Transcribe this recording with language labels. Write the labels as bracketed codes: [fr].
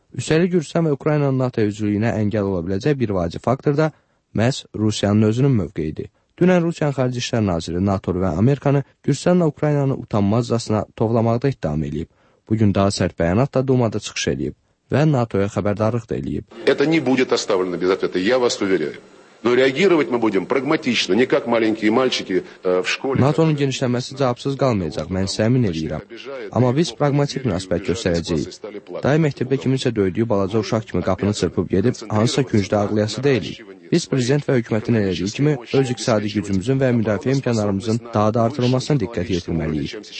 [az] Üstəlik Gürcüstan və Ukraynanın NATO-ya üzvlüyünə əngəl ola biləcək bir vacib faktor da məhz Rusiyanın özünün mövqeyidir. Dünən Rusiyanın Xarici İşlər Naziri NATO və Amerikanı Gürcüstanla Ukraynanı utanmazcasına toplamaqda ittiham edib. Bugün daha sərt bəyanat da Dumada çıxış edib və NATO-ya xəbərdarlıq da edib. [ru] Это не будет оставлено без ответа, я вас уверяю. Но реагировать мы будем прагматично, не как маленькие мальчики в школе. [az] NATO-nun genişlənməsi cavabsız qalmayacaq, mən səmin edirəm. Amma biz pragmatik münasibət göstərəcəyik. Daim məktəbdə kiminsə döydüyü balaca uşaq kimi qapını çırpıb gedib, hansısa küncdə ağlayası deyilik. Biz prezident və hökumətin elədiyi kimi öz iqtisadi gücümüzün və müdafiə imkanlarımızın daha da artırılmasına diqqət yetirməliyik.